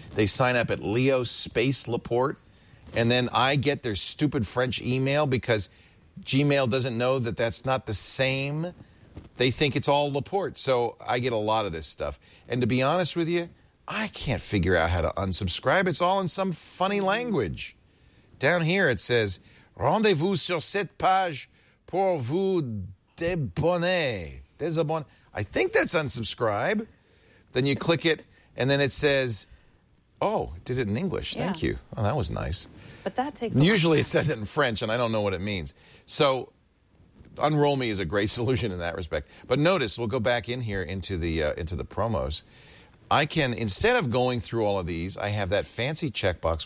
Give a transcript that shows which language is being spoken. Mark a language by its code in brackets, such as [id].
[en] They sign up at Leo space Laporte. And then I get their stupid French email because Gmail doesn't know that that's not the same. They think it's all Laporte. So I get a lot of this stuff. And to be honest with you, I can't figure out how to unsubscribe. It's all in some funny language. Down here it says, [fr] rendez-vous sur cette page pour vous débonner. Désabonner. [en] I think that's unsubscribe. Then you click it, and then it says, oh, did it in English. Yeah. Thank you. Oh, that was nice. But that takes usually it says it in French, and I don't know what it means. So Unroll Me is a great solution in that respect. But notice, we'll go back in here into the promos. I can, instead of going through all of these, I have that fancy checkbox.